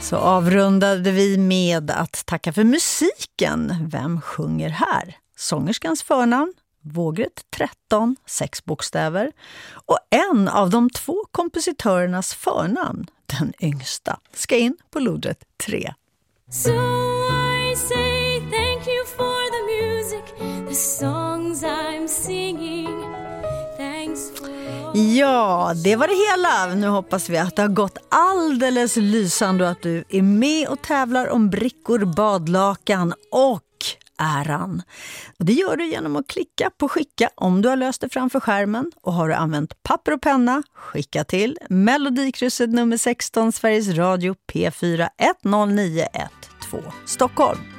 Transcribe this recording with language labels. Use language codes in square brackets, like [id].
[sv] Så avrundade vi med att tacka för musiken. Vem sjunger här? Sångerskans förnamn, vågret 13, 6 bokstäver. Och en av de 2 kompositörernas förnamn, den yngsta, ska in på lodrätt 3. [en] So I say thank you for the music, the songs I'm singing. Thanks for... [sv] Ja, det var det hela. Nu hoppas vi att det har gått alldeles lysande och att du är med och tävlar om brickor, badlakan och äran. Och det gör du genom att klicka på skicka om du har löst det framför skärmen. Och har du använt papper och penna, skicka till Melodikrysset nummer 16, Sveriges Radio P4 10912 Stockholm.